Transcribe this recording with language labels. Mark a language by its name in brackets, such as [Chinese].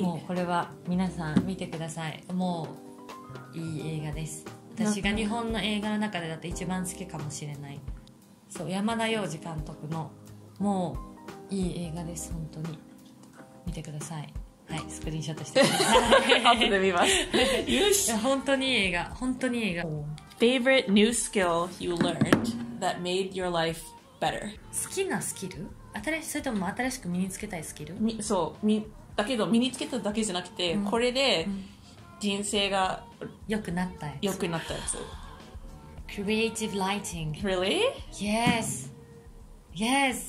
[Japanese] もう、これは、皆さん見てください。もう、いい映画です。私が日本の映画の中でだって一番好きかもしれない。そう、山田洋次監督のもういい映画です。本当に見てください。はい、スクリーンショットしてください。後で見ます。よし、本当にいい映画、本当にいい映画。 [English] Favorite new skill you learned that made your life better。 [Japanese] 好きなスキル、新しい、それとも新しく身につけたいスキル。そう、だけど身につけただけじゃなくて、うん、これで人生が良くなったやつ。良くなったやつ。 [English] Creative lighting. Really? Yes. Yes.